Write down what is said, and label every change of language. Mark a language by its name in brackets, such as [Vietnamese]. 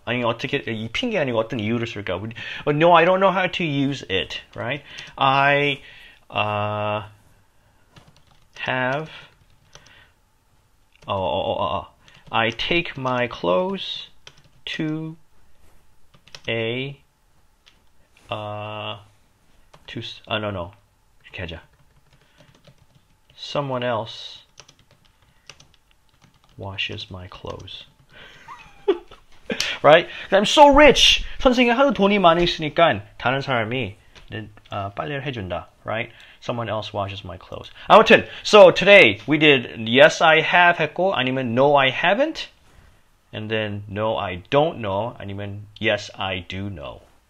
[Korean] 아니, 어떻게, 이 핑계 아니고 어떤 이유를 쓸까? [English] No, I don't know how to use it, right? I have, I take my clothes to a, someone else washes my clothes. Right? I'm so rich. [Korean] 선생님 하도 돈이 많이 있으니까 다른 사람이 빨래를 해준다. [English] Right? Someone else washes my clothes. [Korean] 아무튼, [English] so today we did yes I have [Korean] 했고 아니면 [English] no I haven't, and then no I don't know [Korean] 아니면 [English] yes I do know.